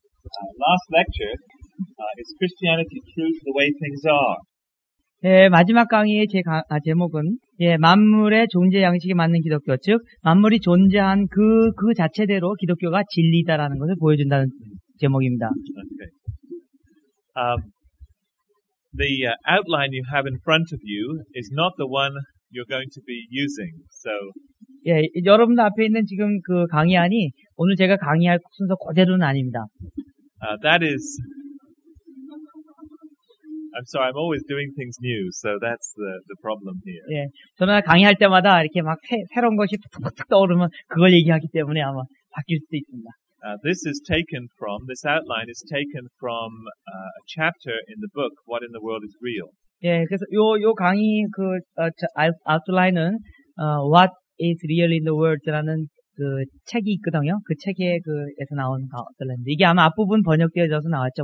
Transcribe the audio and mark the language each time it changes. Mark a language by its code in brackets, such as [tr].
[en] Last lecture is Christianity true to the way things are. [ko] 예, 마지막 강의의 제목은 예, 만물의 존재 양식에 맞는 기독교, 즉 만물이 존재한 그 자체대로 기독교가 진리다라는 것을 보여준다는 제목입니다. [en] Okay. The outline you have in front of you is not the one you're going to be using. So [ko] 예, 여러분들 앞에 있는 지금 그 강의안이 오늘 제가 강의할 순서 그대로는 아닙니다. [en] That is I'm sorry, I'm always doing things new, so that's the problem here. [ko] 예, 저는 강의할 때마다 이렇게 막 새로운 것이 툭툭 떠오르면 그걸 얘기하기 때문에 아마 바뀔 수도 있습니다. [en] This outline is taken from a chapter in the book, What in the World is Real? [ko] 예, 그래서 요 강의 그 outline은 [en] What is Real in the World [ko] 라는 그 책이 있거든요. 그 책에 그에서 나온 outline인데 이게 아마 앞부분 번역되어져서 나왔죠.